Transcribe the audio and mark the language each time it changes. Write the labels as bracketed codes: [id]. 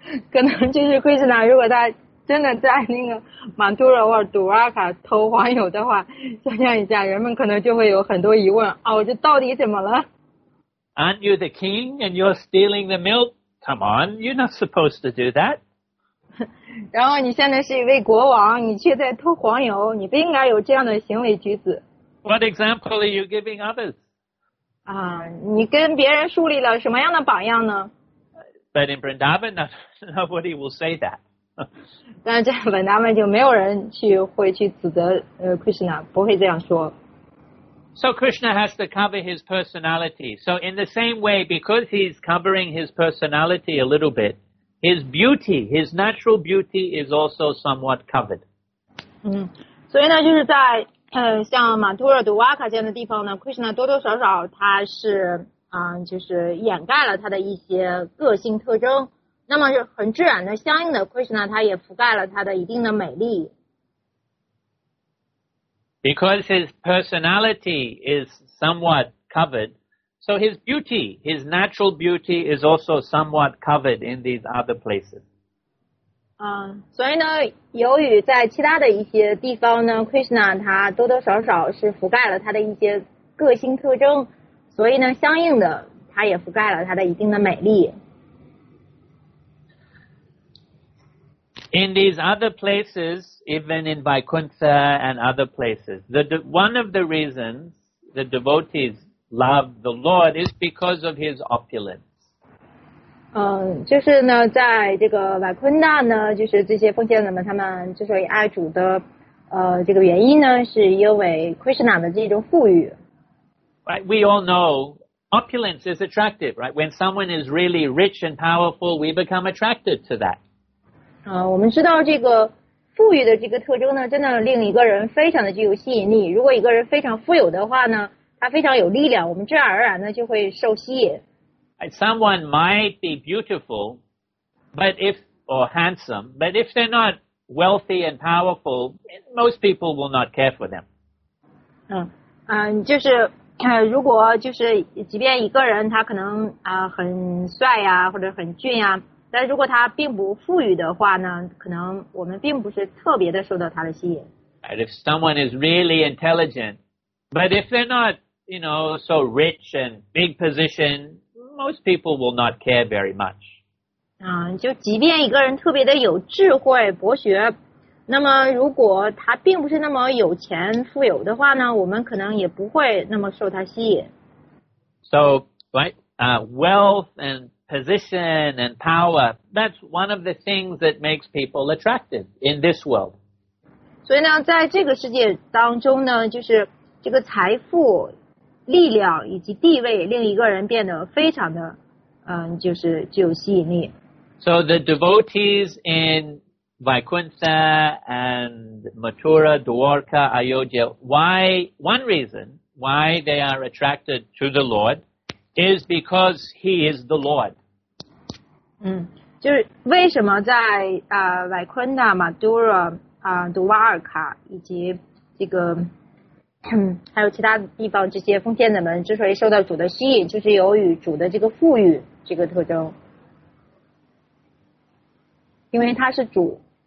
[zh] 可能就是 Krishna 如果他真的在那个马图热或者杜瓦卡偷黄油的话，想象一下，人们可能就会有很多疑问啊，这到底怎么了 [en] ？Aren't you the king and you're stealing the milk? Come on, you're not supposed to do that. [zh] 然后你现在是一位国王，你却在偷黄油，你不应该有这样的行为举止。 [en] What example are you giving others? [zh] 你跟别人树立了什么样的榜样呢 [en] ？But in Vrindavan, nobody will say that. [zh] 但在 Vrindavan 就没有人会去指责Krishna， 不会这样说。 [en] So Krishna has to cover his personality. So in the same way, because he's covering his personality a little bit, his beauty, his natural beauty is also somewhat covered. [zh] 所以呢就是在像马图热杜瓦卡这样的地方呢 ,Krishna 多多少少他是就是掩盖了他的一些个性特征。那么很自然的相应的 Krishna 他也覆盖了他的一定的美丽。 [en] Because his personality is somewhat covered, so his beauty, his natural beauty is also somewhat covered in these other places. [zh] 所以呢，由于在其他的一些地方呢 ，Krishna 他多多少少是覆盖了他的一些个性特征，所以呢，相应的，它也覆盖了它的一定的美丽。 [en] In these other places, even in Vaikuntha and other places, one of the reasons the devotees love the Lord is because of his opulence. [zh] 就是呢，在这个瓦昆纳呢，就是这些奉献人们他们之所以爱主的，这个原因呢，是因为 Krishna 的这种富裕。 [en] Right, we all know opulence is attractive, right? When someone is really rich and powerful, we become attracted to that. [zh] 我们知道这个富裕的这个特征呢，真的令一个人非常的具有吸引力。如果一个人非常富有的话呢，他非常有力量，我们自然而然的就会受吸引。 [en] Someone might be beautiful, or handsome, but if they're not wealthy and powerful, most people will not care for them. [zh] 就是如果就是即便一个人他可能很帅呀或者很俊呀，但如果他并不富裕的话呢，可能我们并不是特别的受到他的吸引。 [en] Right, if someone is really intelligent, but if they're not, you know, so rich and big position. Most people will not care very much. [zh] 就即便一个人特别的有智慧、博学，那么如果他并不是那么有钱、富有的话呢，我们可能也不会那么受他吸引。 [en] So, right, wealth and position and power, that's one of the things that makes people attractive in this world. [zh] 所以呢，在这个世界当中呢，就是这个财富力量以及地位令一个人变得非常的就是具有吸引力。 [en] So the devotees in Vaikuntha and Mathura, Dwarka, Ayodhya, one reason why they are attracted to the Lord is because he is the Lord. [zh] 就是为什么在Vaikuntha, Mathura, Dwarka 以及这个还有其他地方，这些奉献者们之所以受到主的吸引，就是由于主的这个富裕这个特征，因为他是主。